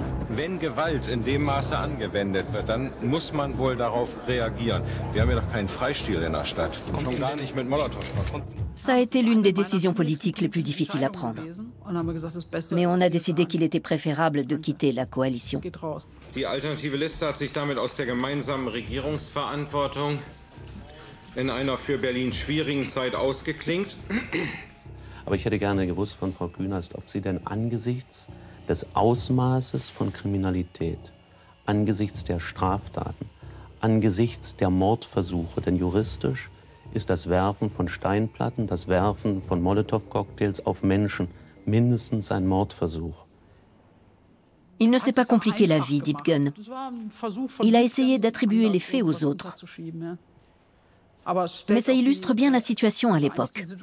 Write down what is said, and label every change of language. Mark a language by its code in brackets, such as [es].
[de] Wenn Gewalt in dem Maße angewendet wird, dann muss man wohl darauf reagieren. Wir haben ja doch keinen Freistil in der Stadt. Schon gar nicht mit Molotow. [fr] Ça a été l'une des décisions politiques les plus difficiles à prendre. Mais on a décidé qu'il était préférable de quitter la coalition. [de] Die alternative Liste hat sich damit aus der gemeinsamen Regierungsverantwortung in einer für Berlin schwierigen Zeit ausgeklinkt. Aber ich hätte gerne gewusst von Frau Künast, ob sie denn angesichts des Ausmaßes von Kriminalität, angesichts der Straftaten, angesichts der Mordversuche, denn juristisch ist das Werfen von Steinplatten, das Werfen von Molotow-Cocktails auf Menschen mindestens ein Mordversuch. [fr] Il ne s'est pas compliqué la vie, Diebgen. Il a essayé d'attribuer les faits aux autres. Mais ça illustre bien la situation à l'époque.